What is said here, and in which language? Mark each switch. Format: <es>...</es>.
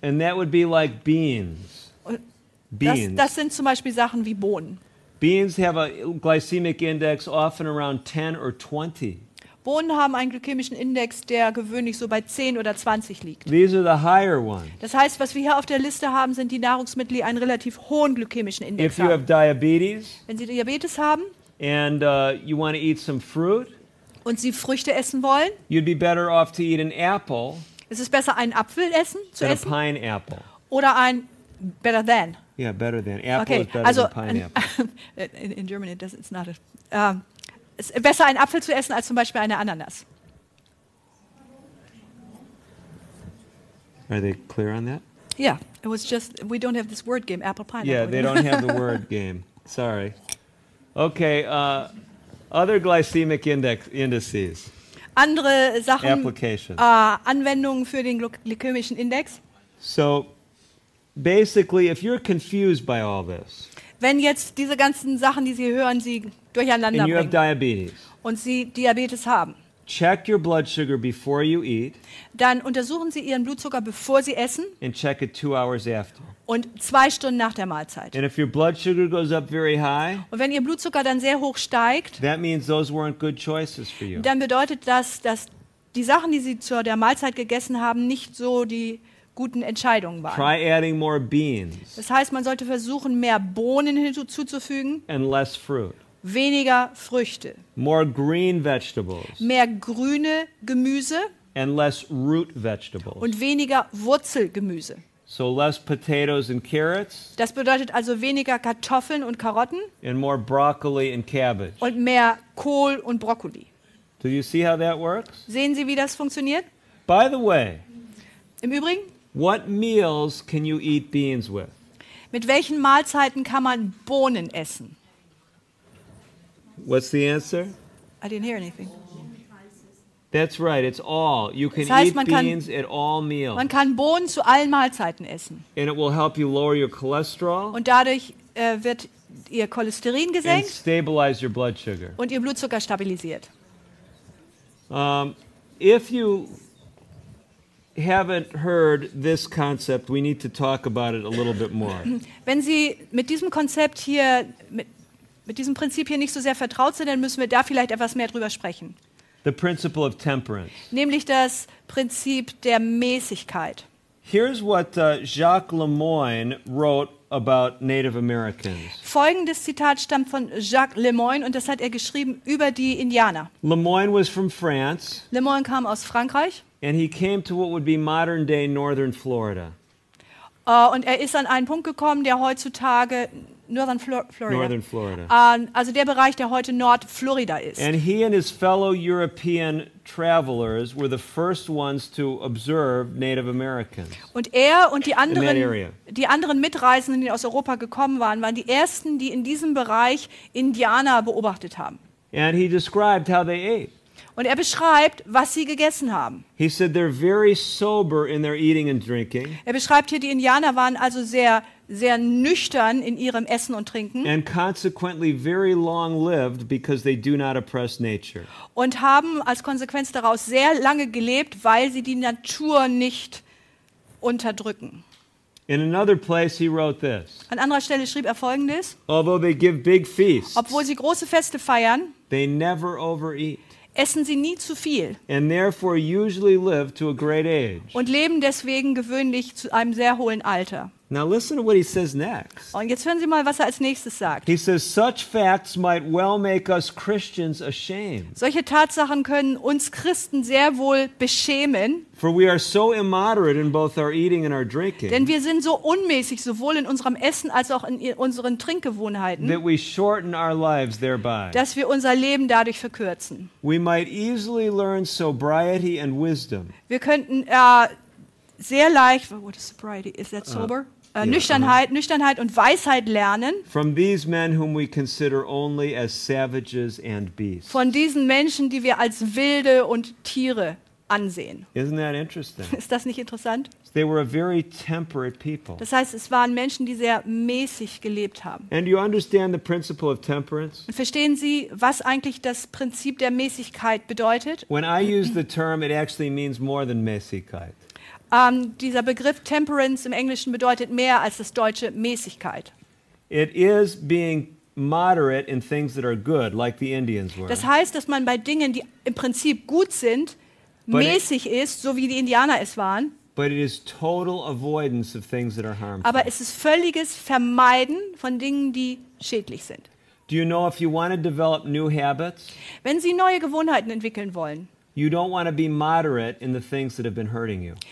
<en>And that would be like beans. Beans.</en> <de>Das sind zum Beispiel Sachen wie Bohnen.</de> <en>Beans have a glycemic index often around 10 or 20.</en> <de>Bohnen haben einen glykämischen Index, der gewöhnlich so bei 10 oder 20 liegt.</de> <en>These are the higher ones.</en> <de>Das heißt, was wir hier auf der Liste haben, sind die Nahrungsmittel, die einen relativ hohen glykämischen Index</de> <en>If</en> <de>haben.</de> <en>You have diabetes,</en> <de>wenn Sie Diabetes haben</de> <en>and, you want to eat some fruit,</en> <de>und Sie Früchte essen wollen,</de> <en>you'd be better off to eat an apple,</en> <de>es ist besser, einen Apfel essen, zu</de> <en>than</en> <de>essen</de> <en>a pineapple.</en> <de>Oder ein</de> <en>better than. Yeah, better than. Apple okay, is better also than pineapple. In German it doesn't, it's not a...</en> <de>Es ist besser, einen Apfel zu essen, als zum Beispiel eine Ananas.</de> <en>Are they clear on that? Yeah, it was just, we don't have this word game, apple pineapple. Yeah, they don't have the word game. Sorry. Okay, other glycemic index indices.</en> <de>Andere Sachen.</de> <en>Applications.</en> <de>Anwendungen für den glykämischen Index.</de> <en>So, basically, if you're confused by all this,</en> <de>wenn jetzt diese ganzen Sachen, die Sie hören, Sie durcheinander</de> <en>and you</en> <de>bringen</de> <en>have diabetes,</en> <de>und Sie Diabetes haben,</de> <en>check your blood sugar before you eat,</en> <de>dann untersuchen Sie Ihren Blutzucker, bevor Sie essen,</de> <en>and check it 2 hours after.</en> <de>Und 2 Stunden nach der Mahlzeit.</de> <en>And if your blood sugar goes up very high,</en> <de>und wenn Ihr Blutzucker dann sehr hoch steigt,</de> <en>that means those weren't good choices for you.</en> <de>Dann bedeutet das, dass die Sachen, die Sie zu der Mahlzeit gegessen haben, nicht so die guten Entscheidungen waren.</de> <en>Try adding more beans.</en> <de>Das heißt, man sollte versuchen, mehr Bohnen hinzuzufügen.</de> <en>And less fruit.</en> <de>Weniger Früchte.</de> <en>More green vegetables.</en> <de>Mehr grüne Gemüse.</de> <en>And less root vegetables.</en> <de>Und weniger Wurzelgemüse.</de> <en>So less potatoes and carrots.</en> <de>Das bedeutet also weniger Kartoffeln und Karotten.</de> <en>And more broccoli and cabbage.</en> <de>Und mehr Kohl und Brokkoli.</de> <en>Do you see how that works?</en> <de>Sehen Sie, wie das funktioniert?</de> <en>By the way,</en> <de>im Übrigen,</de> <en>what meals can you eat beans with?</en> <de>Mit welchen Mahlzeiten kann man Bohnen essen?</de> <en>What's the answer? I didn't hear anything. That's right, it's all. You can</en> <de>das heißt,</de> <en>eat</en> <de>kann,</de> <en>beans at all meals.</en> <de>Man kann Bohnen zu allen Mahlzeiten essen.</de> <en>And it will help you lower your cholesterol.</en> <de>Und dadurch wird Ihr Cholesterin gesenkt.</de> <en>And stabilize your blood sugar.</en> <de>Und Ihr Blutzucker stabilisiert.</de> <en>If you haven't heard this concept, we need to talk about it a little bit more.</en> <de>Wenn Sie mit diesem Konzept hier, mit diesem Prinzip hier nicht so sehr vertraut sind, dann müssen wir da vielleicht etwas mehr drüber sprechen.</de> <en>The principle of temperance.</en> <de>Nämlich das Prinzip der Mäßigkeit.</de> <en>Here's what Jacques Lemoyne wrote about Native Americans.</en> <de>Folgendes Zitat stammt von Jacques Lemoyne und das hat er geschrieben über die Indianer.</de> <en>Lemoyne was from France.</en> <de>Lemoyne kam aus Frankreich.</de> <en>And he came to what would be modern-day northern Florida.</en> <de>Und er ist an einen Punkt gekommen, der heutzutage</de> <en>northern Florida. Northern Florida.</en> <de>Also der Bereich, der heute Nordflorida ist.</de> <en>And he and his fellow European travelers were the first ones to observe Native Americans.</en> <de>Und er und die anderen Mitreisenden, die aus Europa gekommen waren, waren die ersten, die in diesem Bereich Indianer beobachtet haben.</de> <en>And he described how they ate.</en> <de>Und er beschreibt, was sie gegessen haben.</de> <en>He said they're very sober in their eating and drinking.</en> <de>Er beschreibt hier, die Indianer waren also sehr, sehr nüchtern in ihrem Essen und Trinken.</de> <en>And consequently very long lived because they do not oppress nature.</en> <de>Und haben als Konsequenz daraus sehr lange gelebt, weil sie die Natur nicht unterdrücken.</de> <en>In another place he wrote this.</en> <de>An anderer Stelle schrieb er Folgendes.</de> <en>Although they give big feasts,</en> <de>obwohl sie große Feste feiern,</de> <en>they never overeat.</en> <de>Essen Sie nie zu viel.</de> <en>And therefore usually live to a great age.</en> <de>Und leben deswegen gewöhnlich zu einem sehr hohen Alter.</de> <en>Now listen to what he says next.</en> <de>Und jetzt hören Sie mal, was er als nächstes sagt.</de> <en>He says, such facts might well make us Christians ashamed.</en> <de>Solche Tatsachen können uns Christen sehr wohl beschämen.</de> <en>For we are so immoderate in both our eating and our drinking.</en> <de>Denn wir sind so unmäßig, sowohl in unserem Essen als auch in unseren Trinkgewohnheiten.</de> <en>That we shorten our lives thereby.</en> <de>Dass wir unser Leben dadurch verkürzen.</de> <en>We might easily learn sobriety and wisdom.</en> <de>Wir könnten sehr leicht,</de> <en>what is sobriety? Is that sober?</en> <de>Nüchternheit und Weisheit lernen.</de> <en>From these men whom we consider only as savages and beasts.</en> <de>Von diesen Menschen, die wir als Wilde und Tiere ansehen.</de> <en>Isn't that interesting?</en> <de>Ist das nicht interessant?</de> <en>They were a very temperate people.</en> <de>Das heißt, es waren Menschen, die sehr mäßig gelebt haben.</de> <en>And you understand the principle of temperance?</en> <de>Und verstehen Sie, was eigentlich das Prinzip der Mäßigkeit bedeutet?</de> <en>When I use the term, it actually means more than Mäßigkeit.</en> <de>Dieser Begriff Temperance im Englischen bedeutet mehr als das deutsche Mäßigkeit.</de> <en>It is being moderate in things that are good, like the Indians were.</en> <de>Das heißt, dass man bei Dingen, die im Prinzip gut sind, mäßig ist, so wie die Indianer es waren.</de> <en>But it is total avoidance of things that are harmful.</en> <de>Aber es ist völliges Vermeiden von Dingen, die schädlich sind.</de> <en>Do you know if you want to develop new habits?</en> <de>Wenn Sie neue Gewohnheiten entwickeln wollen.</de> <en>You don't want to be moderate in the things that have been hurting you.</en>